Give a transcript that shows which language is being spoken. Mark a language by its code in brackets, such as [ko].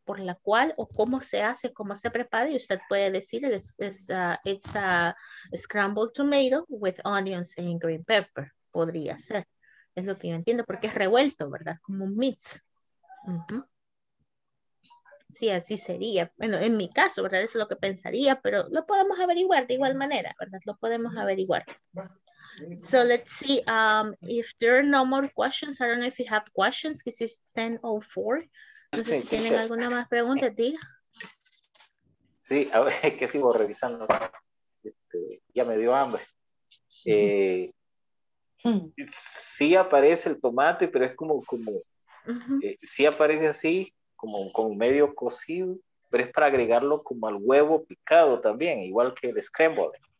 [es] Por la cual o cómo se hace, cómo se prepara, y usted puede decir, [en] it's a scrambled tomato with onions and green pepper, [es] podría ser. Es lo que yo entiendo, porque es revuelto, ¿verdad? Como un mix. Uh-huh. Sí, así sería. Bueno, en mi caso, ¿verdad? Eso es lo que pensaría, pero lo podemos averiguar de igual manera, ¿verdad? Lo podemos averiguar. [en] So, let's see. If there are no more questions, I don't know if you have questions, this is 10:04. [es] No sé si tienen alguna más pregunta, diga. Sí, a ver, que sigo revisando. Ya me dio hambre. Sí aparece el tomate, pero es como sí aparece así, como medio cocido, pero es para agregarlo como al huevo picado también, igual que el scramble.